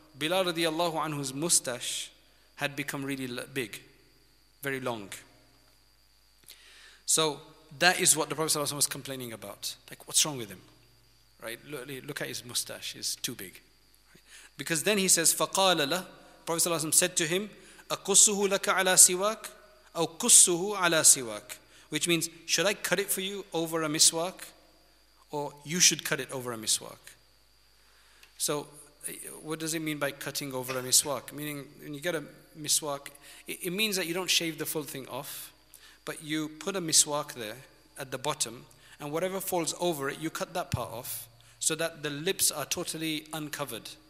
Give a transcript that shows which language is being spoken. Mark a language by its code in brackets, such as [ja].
[en] Bilal radiallahu anhu's mustache had become really big, very long. So that is what the Prophet ﷺ was complaining about. Like, what's wrong with him? Right? Look at his mustache, it's too big. Because then he says, [ar] فَقَالَ لَهُ. [en] Prophet ﷺ said to him, [ar] أَقُصُّهُ لَكَ عَلَى سِوَاكَ أَوْ قُصُّهُ عَلَى سِوَاكَ. [en] Which means, should I cut it for you over a miswak? Or you should cut it over a miswak. So what does it mean by cutting over a miswak? Meaning when you get a miswak, it means that you don't shave the full thing off, but you put a miswak there at the bottom, and whatever falls over it, you cut that part off so that the lips are totally uncovered.